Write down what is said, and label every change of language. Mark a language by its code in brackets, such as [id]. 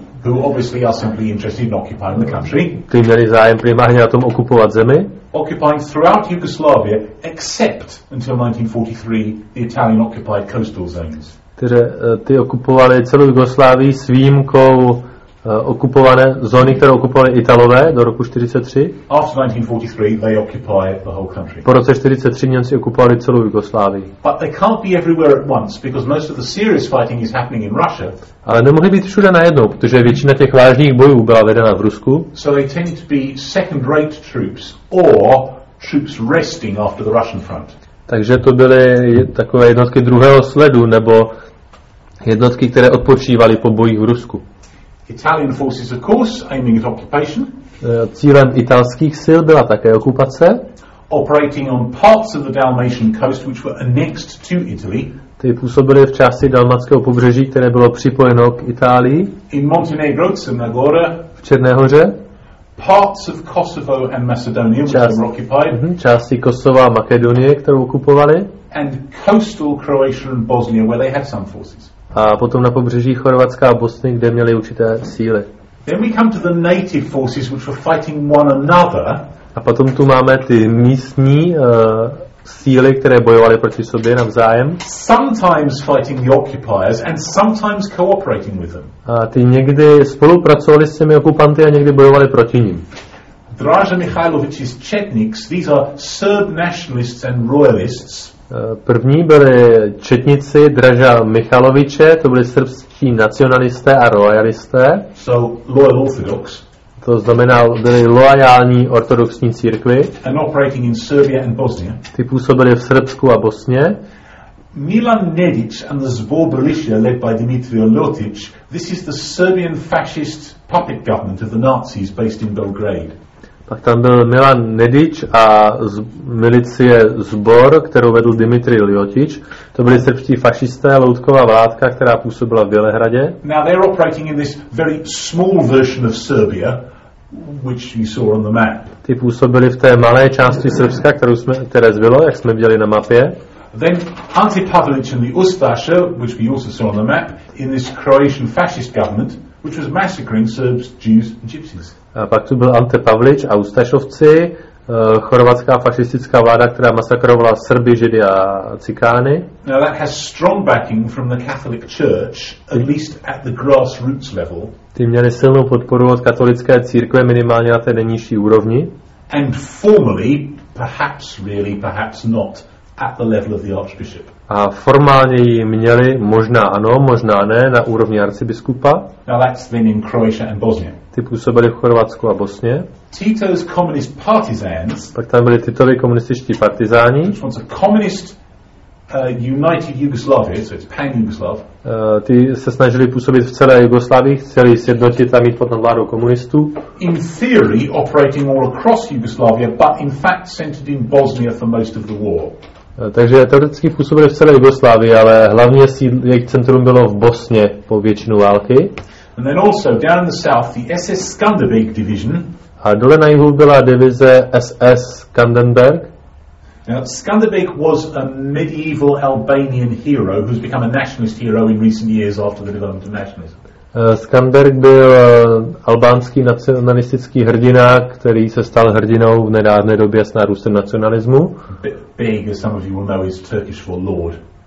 [en] who obviously are simply interested in occupying the country. [cs] Kteří měli zájem primárně na tom okupovat zemi. [en] Occupying throughout Yugoslavia, except until 1943, the Italian occupied coastal zones. [cs] Které ty okupovali celou Jugoslávii s výjimkou okupované zóny, které okupovali Italové do roku 43. [en] After 1943 they occupy the whole country. [cs] Po roce 43 Němci okupovali celou Jugoslávii. [en] But they can't be everywhere at once because most of the serious fighting is happening in Russia. [cs] Ale nemohli být všude najednou, protože většina těch vážných bojů byla vedena v Rusku. [en] So they tend to be second-rate troops or troops resting after the Russian front. [cs] Takže to byly takové jednotky druhého sledu, nebo Jednotky, které odpočívaly po bojích v Rusku. [en] Italian forces, of course, aiming at occupation. [cs] Cílem italských sil byla také okupace. [en] Operating on parts of the Dalmatian coast, which were annexed to Italy. [cs] Ty působily v části dalmatského pobřeží, které bylo připojeno k Itálii. [en] In Montenegro, Crna Gora. [cs] V Černé hoře. [en] Parts of Kosovo and Macedonia, which were occupied. [cs] Části Kosova a Makedonie, kterou okupovali. [en] And coastal Croatia and Bosnia, where they had some forces. [cs] A potom na pobřeží Chorvatska a Bosny, kde měli určité síly. [en] Then we come to the native forces, which were fighting one another. [cs] A potom tu máme ty místní síly, které bojovaly proti sobě navzájem. [en] Sometimes fighting the occupiers and sometimes cooperating with them. [cs] A ty někdy spolupracovali s těmi okupanty a někdy bojovali proti nim. [en] Draža Mihajlovič's Četniks, these are Serb nationalists and royalists. [cs] První byli četnici Draža Mihajloviče, to byli srbští nacionalisté a royalisté. [en] So loyal orthodox. [cs] To znamená, byli loajální ortodoxní církvi. [en] And operating in Serbia and Bosnia. [cs] Ty působili v Srbsku a Bosně. [en] Milan Nedić and the Zbor Berisha led by Dimitrije Ljotić. This is the Serbian fascist puppet government of the Nazis based in Belgrade. [cs] Pak tam byl Milan Nedić a milicie Zbor, kterou vedl Dimitrije Ljotić. To byli srbští fašisté, loutková vládka, která působila v Bělehradě. [en] Now they're operating in this very small version of Serbia, which you saw on the map. [cs] Ty působili v té malé části Srbska, které zbylo, jak jsme viděli na mapě. [en] Then Ante Pavelić and the Ustaše, which we also saw on the map, in this Croatian fascist government, which was massacring Serbs, Jews and Gypsies. [cs] A pak tu byl Ante Pavlič a Ustašovci, chorvatská fašistická vláda, která masakrovala Srby, Židy a Cikány. [en] Now that has strong backing from the Catholic Church, at least at the grassroots level. [cs] Ty měli silnou podporu od katolické církve, minimálně na té nejnižší úrovni. [en] And formally, perhaps really, perhaps not, at the level of the archbishop. [cs] A formálně ji měli, možná ano, možná ne, na úrovni arcibiskupa. [en] Now that's then in Croatia and Bosnia. [cs] Ty působili v Chorvatsku a Bosně. [en] Tito's communist partisans. [cs] Pak tam byli Titovi komunističtí partizáni. [en] Which wants a communist united Yugoslavia, so it's pan-Yugoslav. [cs] Ty se snažili působit v celé Jugoslavii, chtěli sjednotit a mít pod vládou komunistů. [en] In theory operating all across Yugoslavia, but in fact centered in Bosnia for most of the war. [cs] Takže teoreticky působili v celé Jugoslávii, ale hlavně jejich centrum bylo v Bosně po většinu války. [en] And then also down the south the SS Skanderbeg division. [cs] A dole na jihu byla divize SS Skanderbeg. [en] Now Skanderbeg was a medieval Albanian hero who's become a nationalist hero in recent years after the development of nationalism. [cs] Skanderbeg byl albánský nacionalistický hrdina, který se stal hrdinou v nedávné době s nárůstem nacionalismu. [en] Beg, as some of you will know, is Turkish for lord.